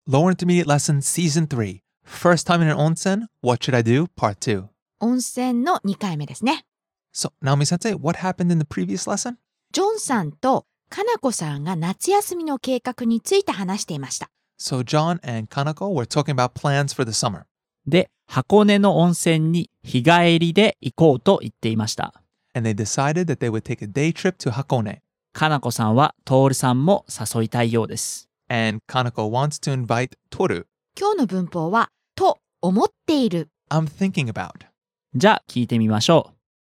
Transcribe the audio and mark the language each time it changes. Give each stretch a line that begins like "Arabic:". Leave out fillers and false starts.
English: Lower Intermediate Lesson Season 3 First time in an onsen, what should I do? Part 2.
Japanese: 温泉の2回目ですね。
English: So, Naomi sensei, what happened in the previous lesson?
Japanese: ジョンさんとカナコさんが夏休みの計画について話していました。
English: So, John and Kanako were talking about plans for the summer.
Japanese: で、箱根の温泉に日帰りで行こうと言っていました。
English: And they decided that they would take a day trip to Hakone.
Japanese: かなこさんはトールさんも誘いたいようです。
English: And Kanako wants to invite Toru.
Japanese: 今日の文法は、と思っている。
English: I'm thinking about.
Japanese: じゃあ聞いてみましょう。